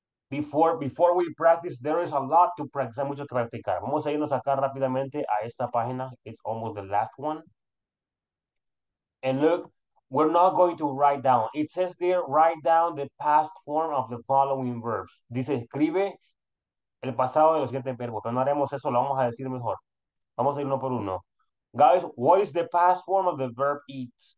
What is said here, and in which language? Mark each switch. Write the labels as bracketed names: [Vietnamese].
[English] Before we practice, there is a lot to practice. [Spanish] Hay mucho que practicar. Vamos a irnos acá rápidamente a esta página. [English] It's almost the last one. And look, we're not going to write down. It says there, write down the past form of the following verbs. [Spanish] Dice, escribe el pasado de los siguientes verbos. Pero no haremos eso, lo vamos a decir mejor. Vamos a ir uno por uno. [English] Guys, what is the past form of the verb eat?